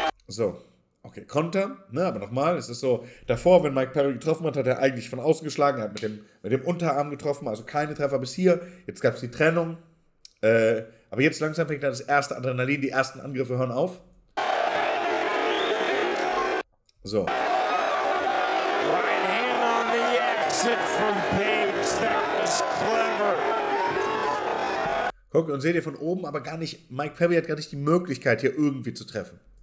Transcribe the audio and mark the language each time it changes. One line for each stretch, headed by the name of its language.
German: So, Okay, Konter, ne, aber nochmal, es ist so, davor, wenn Mike Perry getroffen hat, hat er eigentlich von außen geschlagen, hat mit dem Unterarm getroffen, also keine Treffer bis hier, jetzt gab es die Trennung, aber jetzt langsam fängt dann das erste Adrenalin, die ersten Angriffe hören auf. So.
English: Right hand on the exit from Page, that was clever.
German: Guckt und seht ihr von oben, aber gar nicht, Mike Perry hat gar nicht die Möglichkeit, hier irgendwie zu treffen.